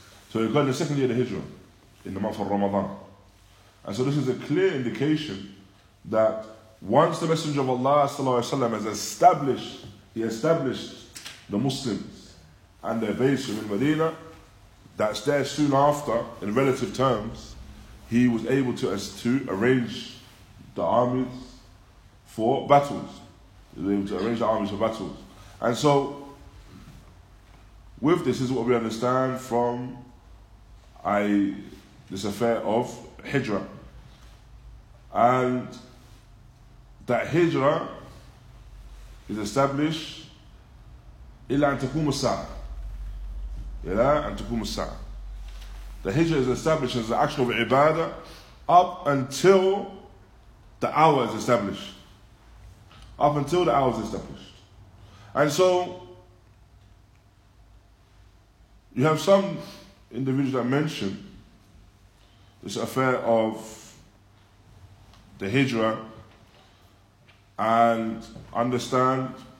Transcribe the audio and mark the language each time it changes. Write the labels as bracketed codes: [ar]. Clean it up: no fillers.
[en] So you've got the second year of Hijrah, in the month of Ramadan. And so this is a clear indication that once the Messenger of Allah sallallahu alaihi wasallam has established the Muslims and their base in Medina, that's there soon after, in relative terms, he was able to arrange the armies for battles. He was able to arrange the armies for battles. And so, with this is what we understand from this affair of Hijrah. And that Hijrah is established [ar] إلا أن تقوم الساعة. إلا أن تقوم الساعة. [en] The Hijrah is established as the action of Ibadah up until the hour is established. Up until the hour is established. And so, you have some individuals that mention this affair of the Hijrah and understand